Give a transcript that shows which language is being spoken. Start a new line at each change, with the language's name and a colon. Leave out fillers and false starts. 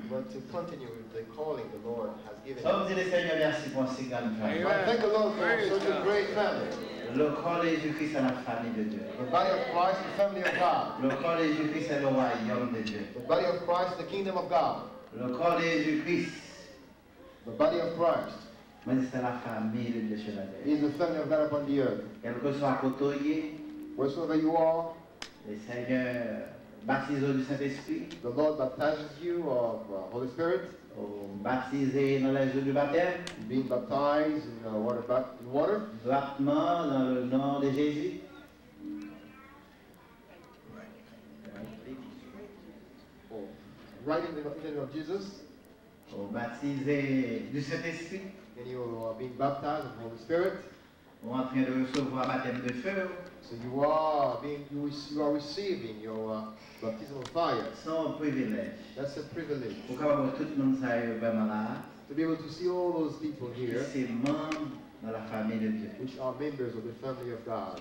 English: But to continue with the calling the Lord has given.
French: Somme dit le Seigneur merci pour ces grandes familles. Amen.
English: Thank the Lord for such a great family.
French: Le corps de Jésus-Christ est la famille de Dieu.
English: The body of Christ, the family of God.
French: Le corps de Jésus-Christ est le royaume de Dieu.
English: The body of Christ, the kingdom of God.
French: Le corps de Jésus-Christ.
English: The body of Christ.
French: Mais c'est la famille de Dieu.
English: He is the family of God upon the earth.
French: Quel que soit côté,
English: wherever you are,
French: le Seigneur baptise du Saint-Esprit.
English: The Lord baptizes you of Holy Spirit.
French: Baptisé dans les eaux du baptême.
English: Being baptized in water.
French: Baptement dans le nom de Jésus.
English: Right in the name of Jesus.
French: Baptisé du Saint-Esprit.
English: And you are being baptized with the Holy Spirit.
French: On est en train de recevoir baptême de feu.
English: So you are receiving your baptism of fire.
French: C'est un privilège.
English: That's a privilege.
French: Pour que tout le monde soit vraiment là.
English: To be able to see all those people here.
French: C'est membre dans la famille de Dieu.
English: Which are members of the family of God.